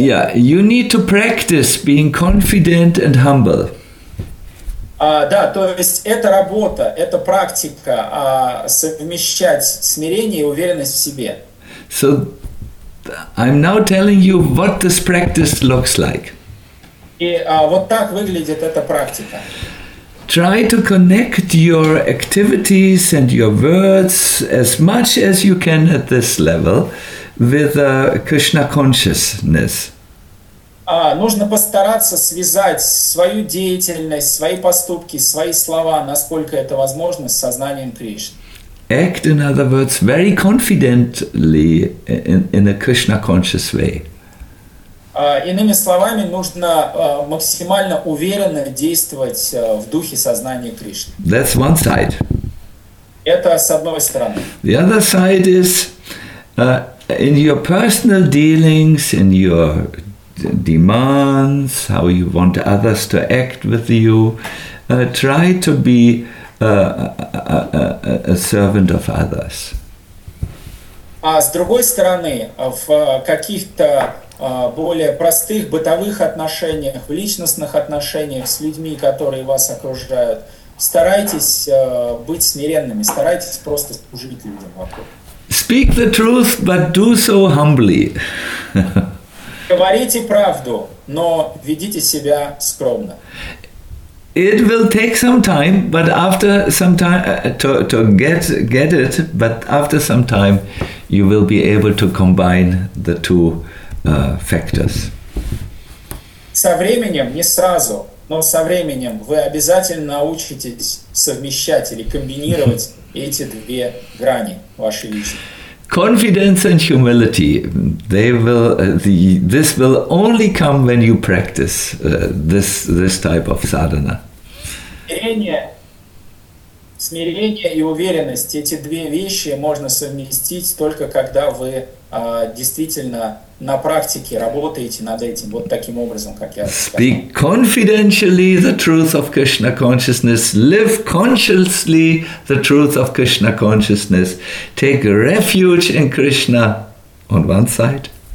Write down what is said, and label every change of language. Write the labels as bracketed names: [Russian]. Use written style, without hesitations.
[English] Yeah, you need to practice being confident and humble. [Russian] Да, то есть эта работа, эта практика совмещать смирение и уверенность в себе. [English] So I'm now telling you what this practice looks like. [Russian] И вот так выглядит эта практика. [English] Try to connect your activities and your words as much as you can at this level with Krishna consciousness. [Russian] Нужно постараться связать свою деятельность, свои поступки, свои слова, насколько это возможно, с сознанием Кришны. [English] Act, in other words, very confidently in a Krishna conscious way. [Russian] Иными словами, нужно максимально уверенно действовать в духе сознания Кришны. [English] That's one side. [Russian] Это с одной стороны. [English] The other side is in your personal dealings, in your demands, how you want others to act with you, try to be a servant of others. [Russian] А с другой стороны, в каких-то более простых бытовых отношениях, в личностных отношениях с людьми, которые вас окружают, старайтесь быть смиренными, старайтесь просто служить людям вокруг. [English] Speak the truth, but do so humbly. [Russian] Говорите правду, но ведите себя скромно. [English] It will take some time, but after some time to get it, but after some time you will be able to combine the two factors. [Russian] Со временем, не сразу, но со временем вы обязательно научитесь совмещать или комбинировать эти две грани вашей личности. [English] Confidence and humility, this will only come when you practice this type of sadhana. [Russian] Смирение и уверенность, эти две вещи можно совместить только когда вы действительно на практике работаете над этим, вот таким образом, как я сказал. [English] Speak confidentially the truth of Krishna consciousness, live consciously the truth of Krishna consciousness, take refuge in Krishna on one side.